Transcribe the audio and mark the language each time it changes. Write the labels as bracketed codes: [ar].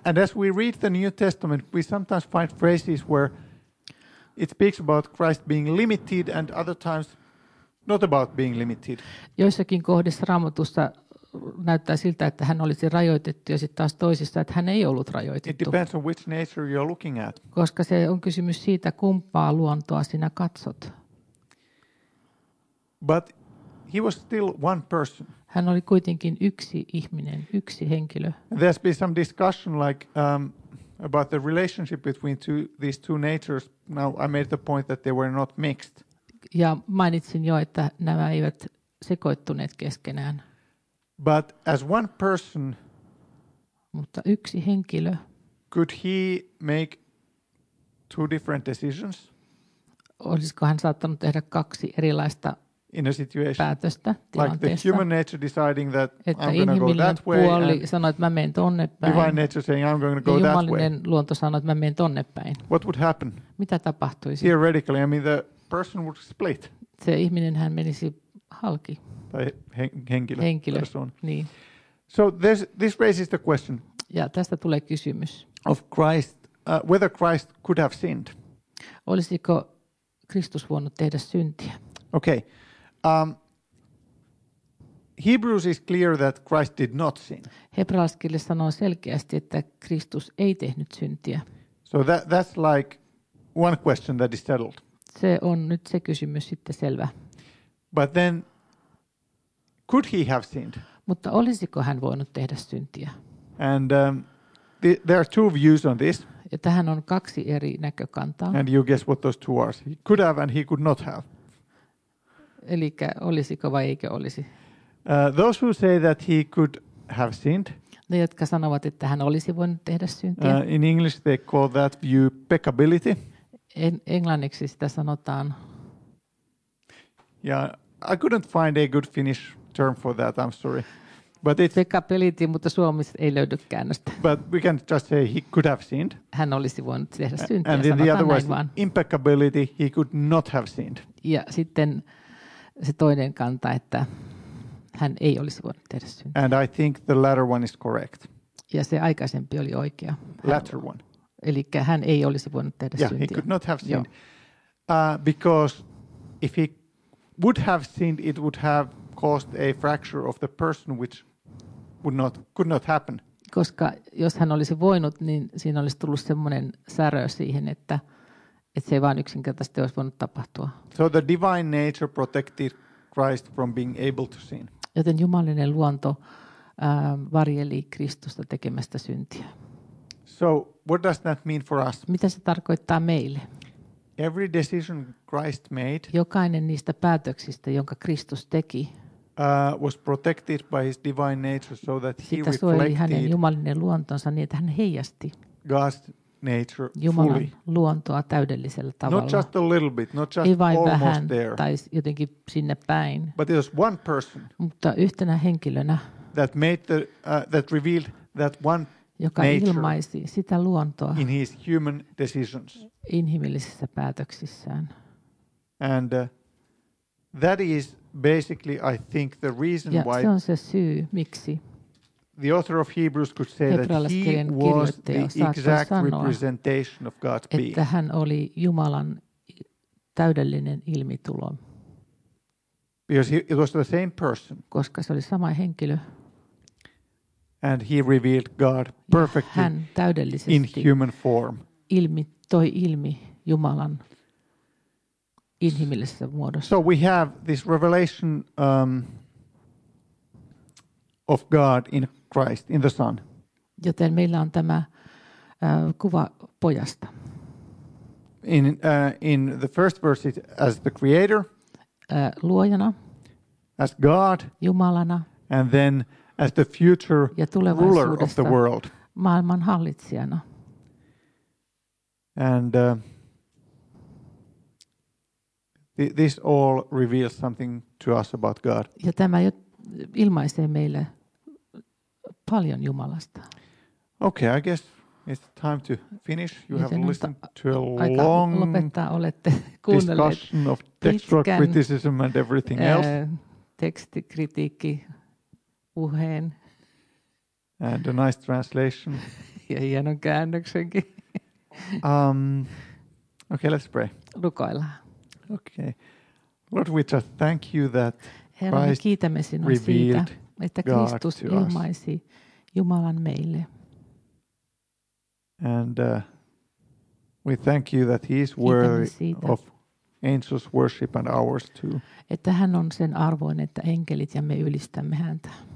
[en] And as we read the New Testament, we sometimes find phrases where it speaks about Christ being limited and other times not about being limited. [fi] Joissakin kohdissa Raamatusta näyttää siltä, että hän olisi rajoitettu ja sitten taas toisissa, että hän ei ollut rajoitettu. [en] It depends on which nature you're looking at. [fi] Koska se on kysymys siitä, kumpaa luontoa sinä katsot. [en] But he was still one person. [fi] Hän oli kuitenkin yksi ihminen, yksi henkilö. [en] There's been some discussion like about the relationship between these two natures. Now I made the point that they were not mixed. [fi] Ja mainitsin jo, että nämä eivät sekoittuneet keskenään. [en] But as one person, [fi] mutta yksi henkilö, [en] could he make two different decisions? [fi] Olisiko hän saattanut tehdä kaksi erilaista päätöstä tilanteessa? [en] Like the human nature deciding that että I'm going to go that way. [fi] Sanoi, että mä menen tonne päin. [en] Divine nature saying I'm going to go that way. [fi] Jumalinen luonto sanoi, että mä menen tonne päin. [en] What would happen? [fi] Mitä tapahtuisi? [en] Theoretically, I mean the person would split. [fi] Se ihminen hän menisi halki. Tai henkilö. Henkilö. Person. Niin. [en] So this raises the question. [fi] Ja tästä tulee kysymys. [en] Of Christ, whether Christ could have sinned. [fi] Olisiko Kristus voinut tehdä syntiä? [en] Okay. Hebrews is clear that Christ did not sin. [fi] Hebrealaiskirje sanoo selkeästi, että Kristus ei tehnyt syntiä. [en] So that's like one question that is settled. [fi] Se on nyt se kysymys sitten selvä. [en] But then, could he have sinned? [fi] Mutta olisiko hän voinut tehdä syntiä? [en] And there are two views on this. [fi] Ja tähän on kaksi eri näkökantaa. [en] And you guess what those two are. He could have and he could not have. [fi] Elikkä olisiko vai eikö olisi? [en] Those who say that he could have sinned. [fi] Ne, jotka sanovat, että hän olisi voinut tehdä syntiä. [en] In English they call that view peccability. [fi] Englanniksi sitä sanotaan. [en] Yeah, I couldn't find a good Finnish term for that, I'm sorry. But it's [fi] peccability, mutta suomessa ei löydy käännöstä. [en] But we can just say he could have sinned. [fi] Hän olisi voinut tehdä syntiä. [en] And then the other way, impeccability, he could not have sinned. [fi] Ja sitten se toinen kanta, että hän ei olisi voinut tehdä syntiä. [en] And I think the latter one is correct. [fi] Ja se aikaisempi oli oikea. [en] Latter one. [fi] Elikkä hän ei olisi voinut tehdä syntiä. [en] Yeah, he could not have sinned. Because if he would have sinned, it would have caused a fracture of the person, which could not happen. [fi] Koska jos hän olisi voinut, niin siinä olisi tullut semmoinen särö siihen, että se ei vaan yksinkertaisesti olisi voinut tapahtua. [en] So the divine nature protected Christ from being able to sin. [fi] Joten jumalinen luonto varjeli Kristusta tekemästä syntiä. [en] So what does that mean for us? [fi] Mitä se tarkoittaa meille? [en] Every decision Christ made. [fi] Jokainen niistä päätöksistä, jonka Kristus teki. [en] Was protected by his divine nature so that he reflected. [fi] Sitä suojeli hänen jumalinen luontonsa niin, että hän heijasti. [en] God's nature fully. [fi] Jumalan luontoa täydellisellä tavalla. [en] Not just a little bit, not just [fi] ei vain [en] almost [fi] vähän, [en] there. [fi] Tai jotenkin sinne päin. [en] But it was one person. [fi] Mutta yhtenä henkilönä. [en] That made the that revealed that one. [fi] Joka ilmaisi sitä luontoa [en] in his human decisions. [fi] Inhimillisissä päätöksissään. [en] And that is basically I think the reason [fi] ja [en] why [fi] se on se syy, miksi [en] the author of Hebrews could say that he was the exact representation of God's [fi] Että hän oli Jumalan täydellinen ilmitulo. [en] Because it was the same person. [fi] Koska se oli sama henkilö. [en] And he revealed God perfectly in human form. [fi] Ilmi toi ilmi Jumalan inhimillisessä muodossa. [en] So we have this revelation of God in Christ, in the Son. [fi] Joten meillä on tämä kuva pojasta. [en] In the first verse, as the Creator, [fi] luojana, [en] as God, [fi] Jumalana, [en] and then as the future ruler of the world. [fi] Maailman hallitsijana. [en] And this all reveals something to us about God. [fi] Ja tämä ilmaisee meille paljon Jumalasta. [en] Okay, I guess It's time to finish. You have listened to a long discussion of textual criticism and everything else. [fi] Tekstikritiikki puheen. [en] And a nice translation. [fi] Ja hienon käännöksenkin. [en] Okay, let's pray. [fi] Rukoillaan. [en] Okay. Lord, we just thank you that [fi] Herra, [en] Christ [fi] kiitämme sinua [en] revealed [fi] siitä, että Kristus ilmaisi Jumalan meille. [en] And we thank you that he is worthy of angels worship and ours too. [fi] Että hän on sen arvoinen, että enkelit ja me ylistämme häntä.